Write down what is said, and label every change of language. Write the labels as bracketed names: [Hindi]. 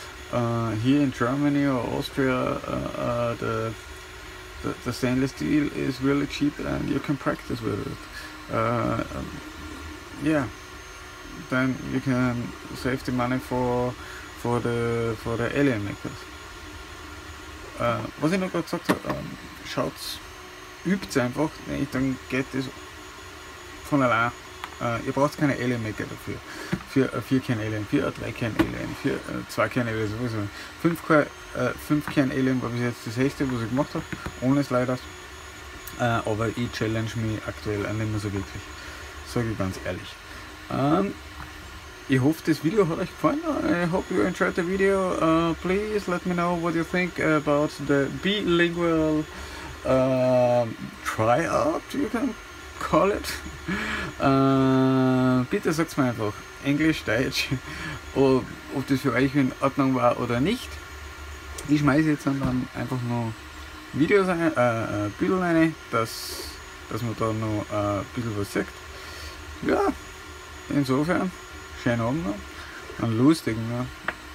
[English] Here in Germany or Austria, the stainless steel is really cheap and you can practice with it. Yeah, then you can save the money for the alien makers. [German] Was ich noch gerade gesagt habe, schaut, übt einfach, dann geht das von allein. Ihr braucht keine Alien Maker dafür. Für ein 4-Kern Alien, für ein 3-Kern Alien, für ein 2-Kern Alien sowieso. 5-Kern Alien war bis jetzt das höchste, was ich gemacht habe, ohne Sliders. Aber ich challenge mich aktuell auch nicht mehr so wirklich, sage ich ganz ehrlich. Ich hoffe, das Video hat euch gefallen. [English] I hope you enjoyed the video. Please let me know what you think about the bilingual tryout, you can call it. [German] Bitte sagt mir einfach Englisch, Deutsch, ob das für euch in Ordnung war oder nicht. Ich schmeiße jetzt dann einfach nur Videos ein, Bilder rein, dass man da noch ein bisschen was sieht. Ja, insofern, schönen Abend noch, einen lustigen, ne?